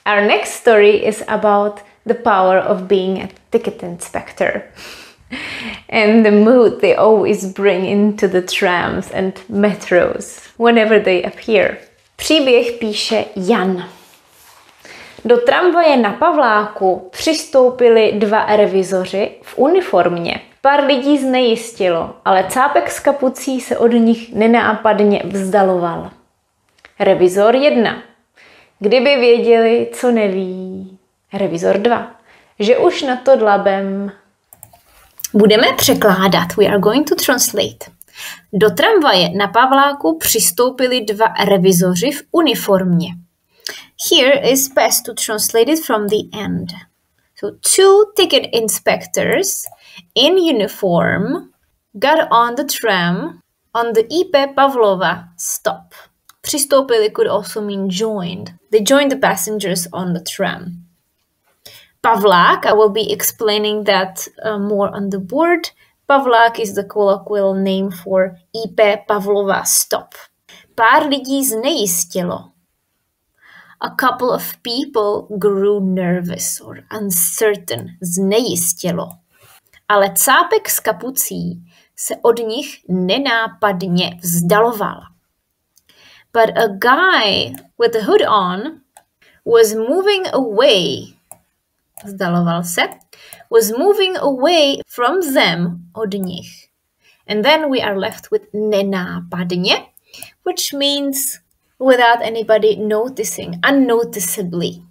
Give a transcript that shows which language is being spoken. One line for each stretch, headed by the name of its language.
English: Our next story is about the power of being a ticket inspector and the mood they always bring into the trams and metros whenever they appear.
Czech: Příběh píše Jan. Do tramvaje na Pavláku přistoupili dva revizoři v uniformě. Pár lidí znejistilo, ale cápek s kapucí se od nich nenápadně vzdaloval. Revizor 1. Kdyby věděli, co neví. Revizor 2. Že už na to dlabem. Budeme překládat.
English: We are going to translate.
Czech: Do tramvaje na Pavláku přistoupili dva revizoři v uniformě.
English: Here is best to translate it from the end. So two ticket inspectors in uniform got on the tram on the IP Pavlova stop. Přistoupili could also mean joined. They joined the passengers on the tram. Pavlák, I will be explaining that more on the board. Pavlák is the colloquial name for IP Pavlova stop.
Czech: Pár lidí znejistilo.
English: A couple of people grew nervous or uncertain.
Czech: Znejistilo. Ale cápek s kapucí se od nich nenápadně vzdaloval.
English: But a guy with a hood on was moving away.
Czech: Vzdaloval se.
English: Was moving away from them,
Czech: od nich.
English: And then we are left with nenápadně, which means without anybody noticing, unnoticeably.